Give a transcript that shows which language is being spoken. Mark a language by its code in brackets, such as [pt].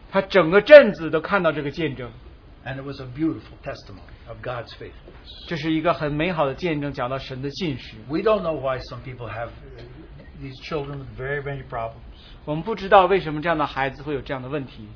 [zh] 他整个镇子都看到这个见证。 [en] And it was a beautiful testimony of God's faithfulness. [zh] 这是一个很美好的见证, 讲到神的信实。 [en] We don't know why some people have these children with very many problems. [zh] 我们不知道为什么这样的孩子会有这样的问题。